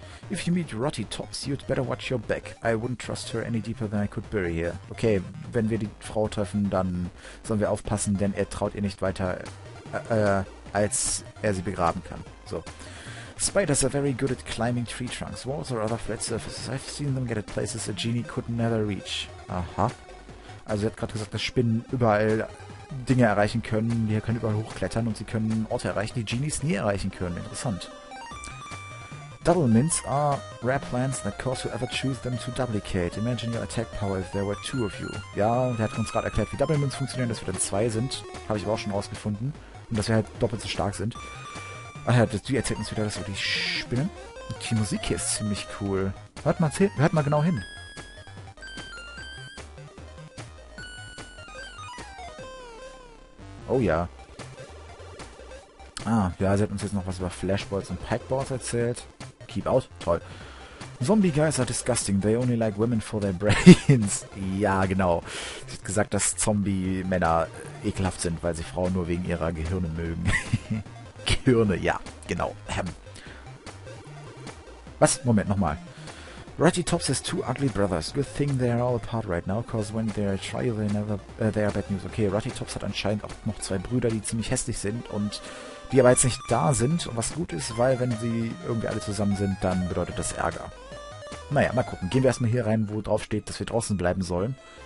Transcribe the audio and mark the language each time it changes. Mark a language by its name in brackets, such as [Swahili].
[English] If you meet Rotty Tops, you'd better watch your back. I wouldn't trust her any deeper than I could bury here. [German] Okay, wenn wir die Frau treffen, dann sollen wir aufpassen, denn er traut ihr nicht weiter, als er sie begraben kann. [English] So. Spiders are very good at climbing tree trunks, walls or other flat surfaces. I've seen them get at places a genie could never reach. Aha. [German] Also er hat gerade gesagt, dass Spinnen überall Dinge erreichen können. Die können überall hochklettern und sie können Orte erreichen, die Genies nie erreichen können. [English] Interessant. Doublemints are rare plants that cause whoever chooses them to duplicate. Imagine your attack power if there were two of you. [German] Ja, der hat uns gerade erklärt, wie Doublemints funktionieren, dass wir dann zwei sind. Habe ich aber auch schon rausgefunden. Und dass wir halt doppelt so stark sind. Ach ja, die erzählt uns wieder, dass wir die Spinnen. Und die Musik hier ist ziemlich cool. Hört mal genau hin. Oh ja. Ah, ja, sie hat uns jetzt noch was über Flashballs und Packballs erzählt. [English] Keep out. Toll. Zombie guys are disgusting. They only like women for their brains. Ja, genau. [German] Sie hat gesagt, dass Zombie-Männer ekelhaft sind, weil sie Frauen nur wegen ihrer Gehirne mögen. Gehirne, ja, genau. Was? Moment, nochmal. [English] Ratty Tops has two ugly brothers. Good thing they are all apart right now, cause when they try, they are bad news. [German] Okay, Ratty Tops hat anscheinend auch noch zwei Brüder, die ziemlich hässlich sind und die aber jetzt nicht da sind. Und was gut ist, weil wenn sie irgendwie alle zusammen sind, dann bedeutet das Ärger. Naja, mal gucken. Gehen wir erstmal hier rein, wo drauf steht, dass wir draußen bleiben sollen.